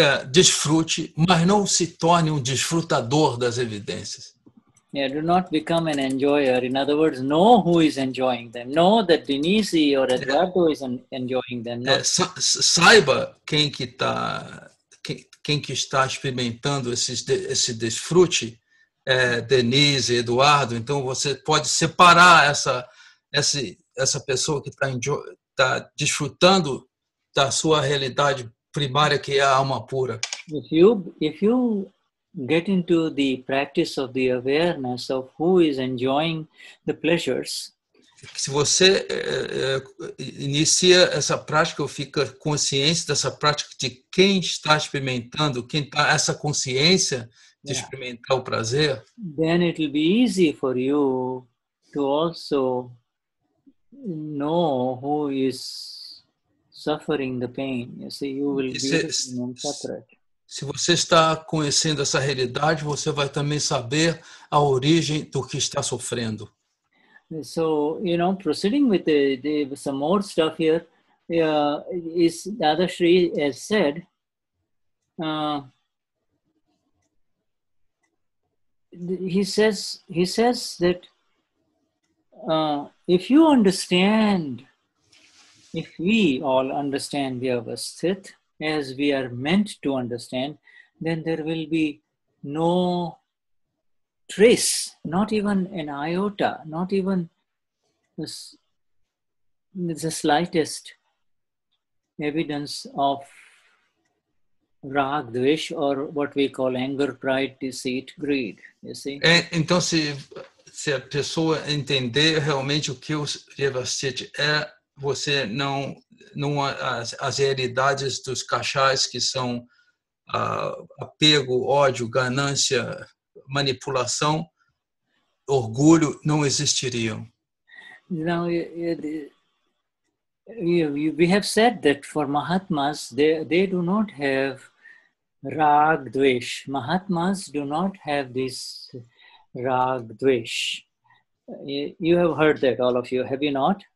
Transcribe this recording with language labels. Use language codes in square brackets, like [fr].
[pt] Desfrute, mas não se torne um desfrutador das evidências. [en] Yeah, do not become an enjoyer. In other words, know who is enjoying them. Know that Denise or Eduardo is enjoying them. [pt] Saiba quem está experimentando esse desfrute, Denise, Eduardo. Então você pode separar essa pessoa que está desfrutando da sua realidade primária, que é a alma pura. [en] If you get into the practice of the awareness of who is enjoying the pleasures, [pt] se você inicia essa prática ou fica consciente dessa prática de quem está experimentando, quem está essa consciência de experimentar o prazer, [en] then it will be easy for you to also know who is suffering the pain, you see, you will be separate. [pt] Se você está conhecendo essa realidade, você vai também saber a origem do que está sofrendo. [en] So, you know, proceeding with the some more stuff here, is Dadashri has said, he says that if you understand. If we all understand the Vyavasthit as we are meant to understand, then there will be no trace, not even an iota, not even the slightest evidence of raga, dvesha, or what we call anger, pride, deceit, greed, you see. [pt] Então, se a pessoa entender realmente o que o Vyavasthit é, você não as realidades dos cachais, que são apego, ódio, ganância, manipulação, orgulho, não existiriam. [en] Now, we have said that for Mahatmas, they do not have rag dvesh. Mahatmas do not have this rag dvesh. You have heard that, all of you, have you not?